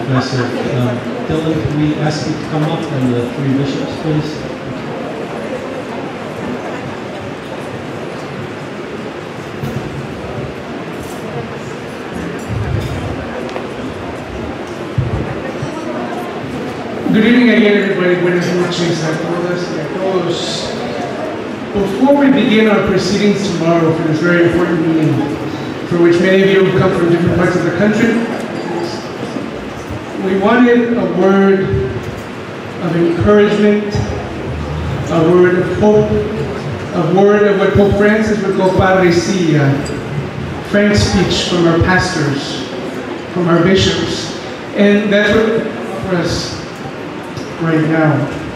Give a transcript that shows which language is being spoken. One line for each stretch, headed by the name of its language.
English: Dylan, can we ask you to come up and the three bishops, please? Good evening again, everybody.
Spanish: Buenas noches a todas y a todos.
English: Before we begin our proceedings tomorrow for this very important meeting, for which many of you have come from different parts of the country, we wanted a word of encouragement, a word of hope, a word of what Pope Francis would call parresia, frank speech from our pastors, from our bishops. And that's what for us right now.